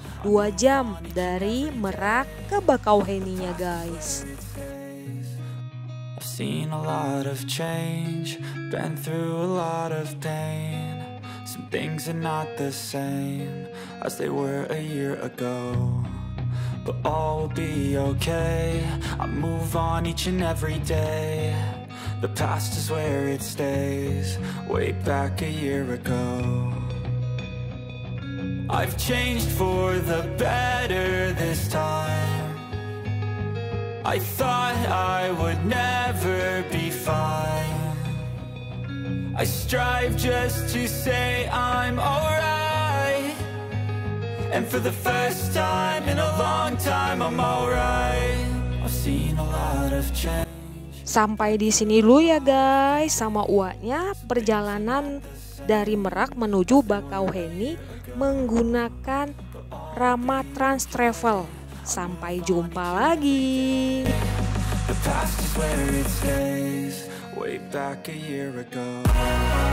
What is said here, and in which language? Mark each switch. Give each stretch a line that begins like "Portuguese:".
Indonesian: 2 jam dari Merak ke Bakauheninya guys.
English: I've seen a lot of change, been through a lot of pain. Some things are not the same as they were a year ago. But all will be okay, I move on each and every day. The past is where it stays, way back a year ago. I've changed for the better this time. I thought I would never be fine. I strive just to say I'm alright. And for the first time in a long time I'm alright. I've seen a lot of change.
Indonesian: Sampai di sini dulu ya guys sama uaknya perjalanan dari Merak menuju Bakauheni menggunakan Rama Trans Travel. Sampai jumpa lagi.
English: The past is where it stays, way back a year ago.